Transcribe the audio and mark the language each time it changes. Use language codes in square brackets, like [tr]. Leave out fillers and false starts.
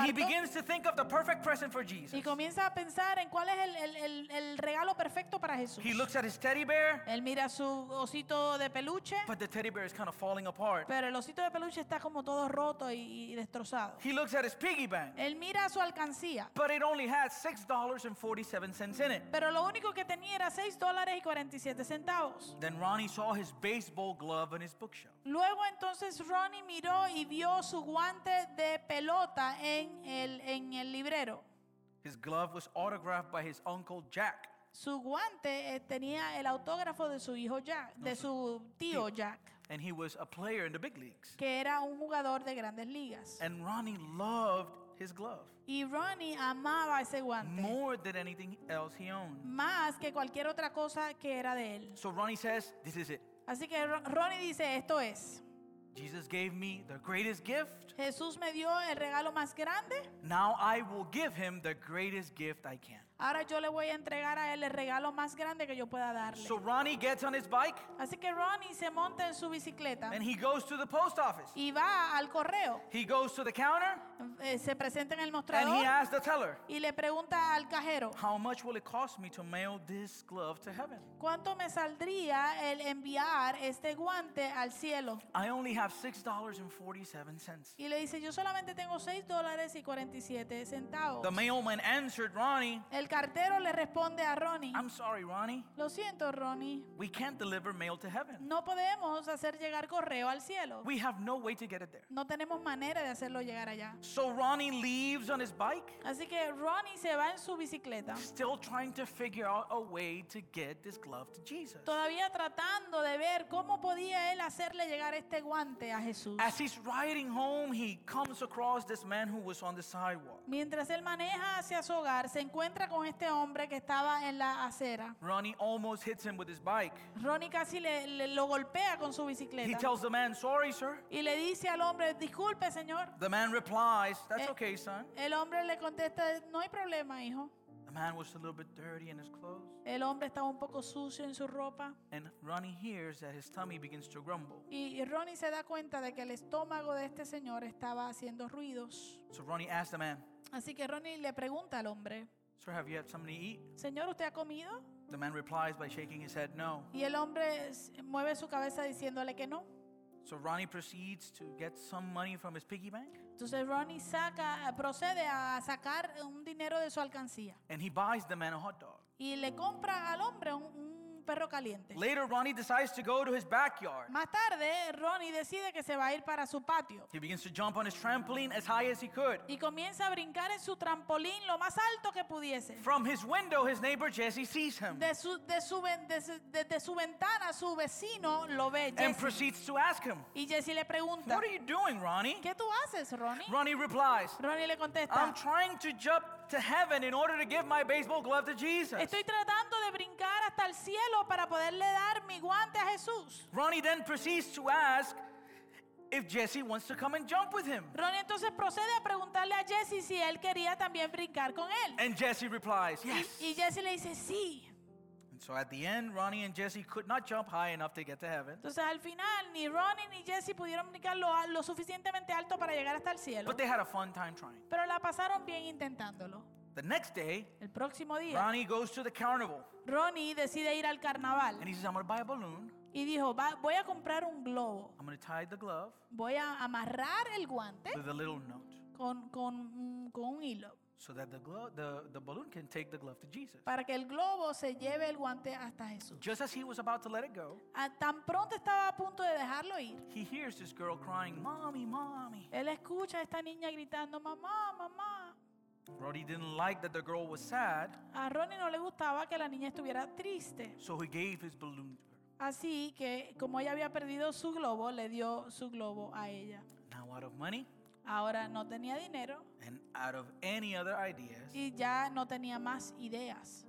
[en] and he begins to think of the perfect present for Jesus. [es] Y comienza a pensar en cuál es el regalo perfecto para Jesús. [en] He looks at his teddy bear, [es] él mira su osito de peluche, [en] but the teddy bear is kind of falling apart. [es] Pero el osito de peluche está como todo roto y destrozado. [en] He looks at his piggy bank, [es] él mira su alcancía, [en] but it only had $6.47 in it. [es] Pero lo único que tenía era $6.47. [en] Then Ronnie saw his baseball glove in his bookshelf. [es] Luego entonces Ronnie miró y vio su guante de pelota en el librero. [en] His glove was autographed by his uncle Jack. [es] Su guante tenía el autógrafo de su hijo Jack, de su tío Jack. [en] And he was a player in the big leagues. [es] Que era un jugador de grandes ligas. [en] And Ronnie loved his glove. [es] Y Ronnie amaba ese guante. [en] More than anything else he owned. [es] Más que cualquier otra cosa que era de él. [en] So Ronnie says, "This is it." [es] Así que Ronnie dice, esto es. [en] Jesus gave me the greatest gift. [es] Jesús me dio el regalo más grande. [en] Now I will give him the greatest gift I can. [es] Ahora yo le voy a entregar a él el regalo más grande que yo pueda darle. [en] So Ronnie gets on his bike. [es] Así que Ronnie se monta en su bicicleta. [en] And he goes to the post office. [es] Y va al correo. [en] He goes to the counter. [es] Se presenta en el mostrador. [en] And he asks the teller. [es] Y le pregunta al cajero. [en] How much will it cost me to mail this glove to heaven? [es] ¿Cuánto me saldría el enviar este guante al cielo? [en] I only have $6.47. [es] Y le dice, yo solamente tengo $6.47. [en] The mailman answered Ronnie. [es] El cartero le responde a Ronnie. [en] I'm sorry, Ronnie. [es] Lo siento, Ronnie. [en] We can't deliver mail to heaven. [es] No podemos hacer llegar correo al cielo. [en] We have no way to get it there. [es] No tenemos manera de hacerlo llegar allá. [en] So Ronnie leaves on his bike. [es] Así que Ronnie se va en su bicicleta. [en] Still trying to figure out a way to get this glove to Jesus. [es] Todavía tratando de ver cómo podía él hacerle llegar este guante a Jesús. [en] As he's riding home, he comes across this man who was on the sidewalk. [es] Mientras él maneja hacia su hogar, se encuentra con este hombre que estaba en la acera. [en] Ronnie almost hits him with his bike. [es] Ronnie casi lo golpea con su bicicleta. [en] He tells the man, "Sorry, sir." [es] Y le dice al hombre, "Disculpe, señor." [en] The man replies, "That's okay, son." [es] El hombre le contesta, "No hay problema, hijo." [en] The man was a little bit dirty in his clothes. [es] El hombre estaba un poco sucio en su ropa. [en] And Ronnie hears that his tummy begins to grumble. [es] Y Ronnie se da cuenta de que el estómago de este señor estaba haciendo ruidos. [en] So Ronnie asks the man. [es] Así que Ronnie le pregunta al hombre, [en] "Sir, have you had something to eat?" [es] Señor, ¿usted ha comido? [en] The man replies by shaking his head, "No." [es] Y el hombre mueve su cabeza diciéndole que no. [en] So Ronnie proceeds to get some money from his piggy bank. [es] Entonces Ronnie procede a sacar un dinero de su alcancía. [en] And he buys the man a hot dog. [es] y le compra al hombre un perro caliente. [en] Later, Ronnie decides to go to his backyard. [es] Más tarde, Ronnie decide que se va a ir para su patio. [en] He begins to jump on his trampoline as high as he could. [es] Y comienza a brincar en su trampolín lo más alto que pudiese. [en] From his window, his neighbor Jesse sees him. [es] De su ventana, su vecino lo ve. [en] And Jesse proceeds to ask him. [es] Y Jesse le pregunta, [en] "What are you doing, Ronnie?" [es] ¿Qué tú haces, Ronnie? [en] Ronnie replies. [es] Ronnie le contesta, [en] "I'm trying to jump to heaven in order to give my baseball glove to Jesus." [es] Estoy tratando de brincar hasta el cielo para poderle dar mi guante a Jesús. [en] Ronnie then proceeds to ask if Jesse wants to come and jump with him. [es] Ronnie entonces procede a preguntarle a Jesse si él quería también brincar con él. [en] And Jesse replies, "Yes." [es] Y Jesse le dice, "Sí." [en] And so at the end, Ronnie and Jesse could not jump high enough to get to heaven. [es] Entonces al final ni Ronnie ni Jesse pudieron brincar lo suficientemente alto para llegar hasta el cielo. [en] But they had a fun time trying. [es] Pero la pasaron bien intentándolo. [en] The next day, [es] el próximo día, [en] Ronnie goes to the carnival. [es] Ronnie decide ir al carnaval. [en] And he says, "I'm going to buy a balloon." [es] Y dijo, voy a comprar un globo. [en] I'm going to tie the glove. [es] Voy a amarrar el guante. [en] With a little note. [es] Con un hilo. [en] So that the balloon can take the glove to Jesus. [es] Para que el globo se lleve el guante hasta Jesús. [en] Just as he was about to let it go, [es] tan pronto estaba a punto de dejarlo ir, [en] he hears this girl crying, "Mommy, mommy." [es] Él escucha a esta niña gritando, "Mamá, mamá." [en] Ronnie didn't like that the girl was sad. [es] A Ronnie no le gustaba que la niña estuviera triste. [en] So he gave his balloon to her. [es] Así que como ella había perdido su globo, le dio su globo a ella. [en] Now out of money. [es] Ahora no tenía dinero. [en] And out of any other ideas, [es] y ya no tenía más ideas.